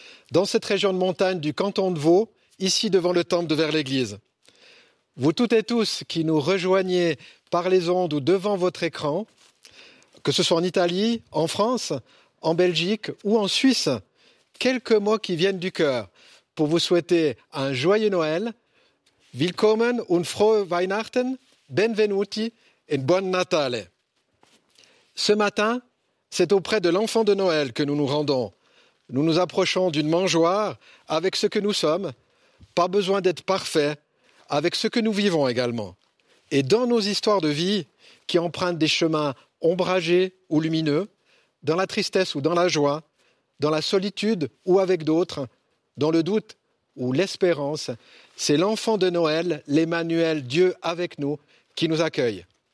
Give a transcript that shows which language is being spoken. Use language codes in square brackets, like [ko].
[fr] dans cette région de montagne du canton de Vaud, ici devant le temple de Vers-l'Église. Vous toutes et tous qui nous rejoignez par les ondes ou devant votre écran, que ce soit en Italie, en France, en Belgique ou en Suisse, quelques mots qui viennent du cœur pour vous souhaiter un joyeux Noël. [de] Willkommen und frohe Weihnachten, [it] benvenuti [de] und [it] buon Natale. [fr] Ce matin, c'est auprès de l'enfant de Noël que nous nous rendons. Nous nous approchons d'une mangeoire avec ce que nous sommes, pas besoin d'être parfait, avec ce que nous vivons également. Et dans nos histoires de vie, qui empruntent des chemins ombragés ou lumineux, dans la tristesse ou dans la joie, dans la solitude ou avec d'autres, dans le doute ou l'espérance, c'est l'enfant de Noël, l'Emmanuel, Dieu avec nous, qui nous accueille.